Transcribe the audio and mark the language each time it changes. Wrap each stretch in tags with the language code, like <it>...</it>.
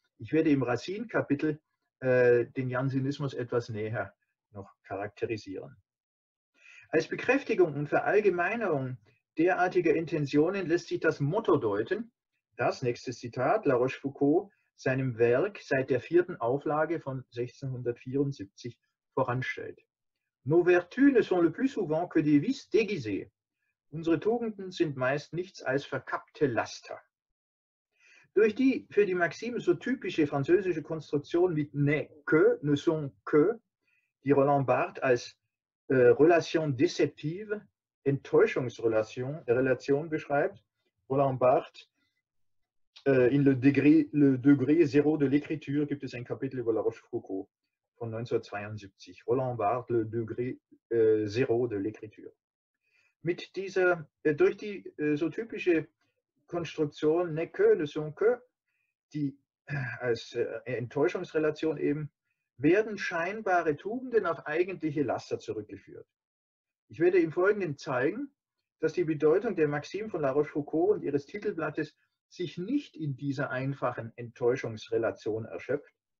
<de>Ich werde im Racine-Kapitel den Jansenismus etwas näher noch charakterisieren. Als Bekräftigung und Verallgemeinerung derartiger Intentionen lässt sich das Motto deuten, das, nächstes Zitat, La Rochefoucauld seinem Werk seit der vierten Auflage von 1674 voranstellt.</de> <fr>Nos vertus ne sont le plus souvent que des vices déguisés.</fr> <de>Unsere Tugenden sind meist nichts als verkappte Laster. Durch die für die Maxime so typische französische Konstruktion mit</de> <fr>ne que, ne sont que,</fr> <de>die Roland Barthes als</de> <fr>Relation déceptive,</fr> <de>Enttäuschungsrelation Relation beschreibt, Roland Barthes, in le degré zéro de l'écriture gibt es ein Kapitel über La Rochefoucauld von 1972.</de> <fr>Roland Barthes, le degré zéro de l'écriture.</fr> <de>Mit dieser, durch die so typische Konstruktion</de> <fr>ne que, ne sont que,</fr> <de>die als Enttäuschungsrelation eben, werden scheinbare Tugenden auf eigentliche Laster zurückgeführt. Ich werde im Folgenden zeigen, dass die Bedeutung der Maxime von La Rochefoucauld und ihres Titelblattes sich nicht in dieser einfachen Enttäuschungsrelation erschöpft.</de>